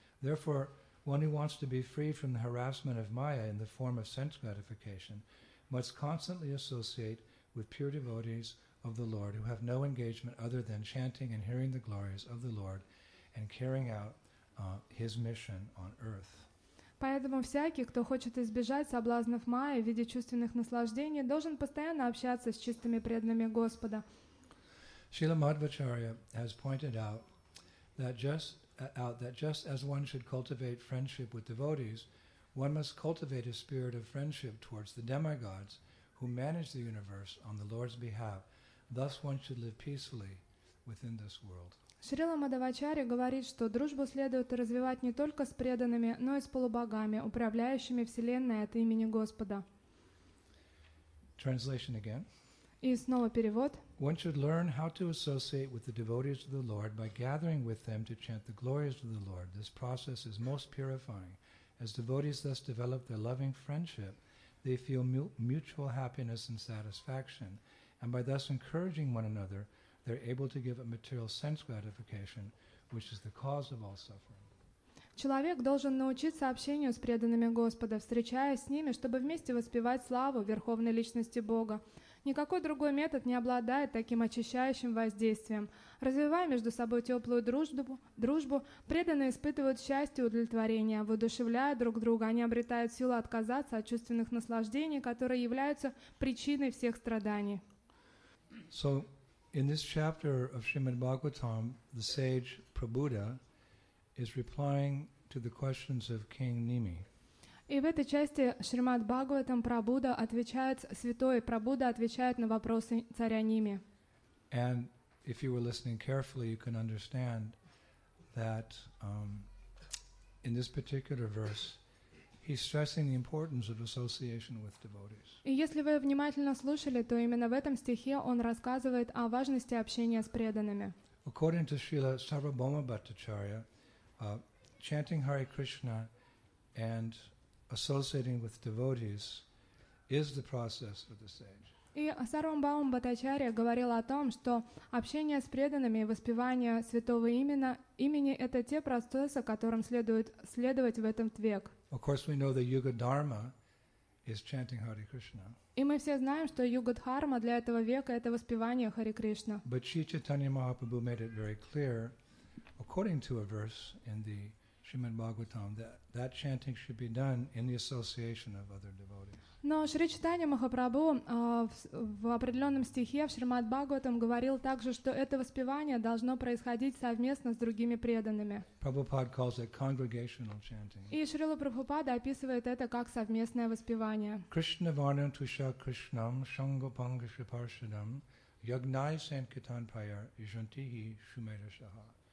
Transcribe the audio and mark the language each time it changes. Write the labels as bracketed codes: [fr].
[en] Therefore, one who wants to be free from the harassment of Maya in the form of sense gratification must constantly associate with pure devotees of the Lord who have no engagement other than chanting and hearing the glories of the Lord and carrying out his mission on earth. [ru] Поэтому всякий, кто хочет избежать соблазнов Майи в виде чувственных наслаждений, должен постоянно общаться с чистыми преданными Господа. [en] Srila Madhvacharya has pointed out that just as one should cultivate friendship with devotees, one must cultivate a spirit of friendship towards the demigods who manage the universe on the Lord's behalf Thus one should live peacefully within this world. [ru] Шрила Мадхавачарья говорит, что дружбу следует развивать не только с преданными, но и с полубогами, управляющими вселенной от имени Господа. [en] Translation again. [ru] И снова перевод. [en] One should learn how to associate with the devotees of the Lord by gathering with them to chant the glories of the Lord. This process is most purifying. As devotees thus develop their loving friendship, they feel mutual happiness and satisfaction. And by thus encouraging one another, they're able to give a material sense gratification, which is the cause of all suffering. [ru] Человек должен научиться общению с преданными Господа, встречаясь с ними, чтобы вместе воспевать славу Верховной Личности Бога. Никакой другой метод не обладает таким очищающим воздействием. Развивая между собой теплую дружбу, преданные испытывают счастье и удовлетворение, воодушевляя друг друга, они обретают силу отказаться от чувственных наслаждений, которые являются причиной всех страданий. [en] So, in this chapter of Srimad Bhagavatam, the sage Prabuddha is replying to the questions of King Nimi. [ru] И в этой части Шримад Бхагаватам Прабуда отвечает, святой Прабуда отвечает на вопросы царя Ними. [en] And if you were listening carefully, you can understand that in this particular verse, he's stressing the importance of association with devotees. [ru] И если вы внимательно слушали, то именно в этом стихе он рассказывает о важности общения с преданными. [en] According to Srila Sarvabhauma Bhattacharya, chanting Hare Krishna and associating with devotees is the process of the sage. [ru] И Сарвабхаума Бхаттачарья говорил о том, что общение с преданными и воспевание святого имени — это те процессы, которым следует следовать в этот век. [en] Of course, we know the Yuga Dharma is chanting Hare Krishna. [ru] И мы все знаем, что Юга Дхарма для этого века — это воспевание Хари Кришна. [en] But Sri Chaitanya Mahaprabhu made it very clear, according to a verse in the Shrimad Bhagavatam, that chanting should be done in the association of other devotees. [ru] Но Шри Чайтанья Махапрабху в определенном стихе в Шримад Бхагаватам говорил также, что это воспевание должно происходить совместно с другими преданными. [en] Prabhupada calls it congregational chanting. [ru] И Шрила Прабхупада описывает это как совместное воспевание. [sa] Krishna Varnam Tusha Krishnam Shanga Panga Shriparshanam Yagnai Sankirtan Payar Yajantihi Shumera Shaha.